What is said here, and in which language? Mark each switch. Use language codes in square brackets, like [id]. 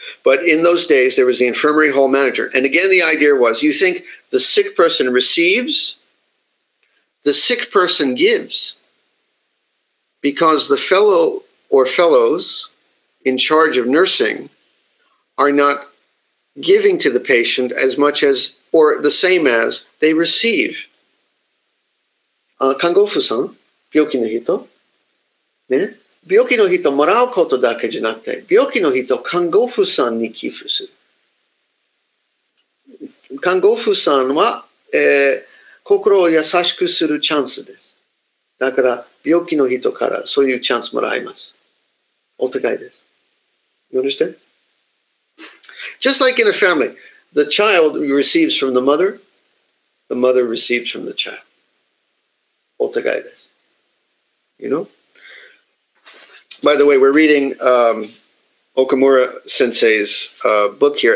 [en] But in those days, there was the infirmary hall manager. And again, the idea was you think the sick person receives, the sick person gives. Because the fellow or fellows in charge of nursing are not giving to the patient as much as, or the same as, they receive. [ja] 看護婦さん、病気の人、ね、病気の人もらうことだけじゃなくて、病気の人、看護婦さんに寄付する。看護婦さんは、心を優しくするチャンスです。だから、病気の人からそういうチャンスもらいます。お互いです。 [en] You understand? Just like in a family, the child receives from the mother receives from the child. [ja] お互いです。 [en] You know? By the way, we're reading Okamura Sensei's book here.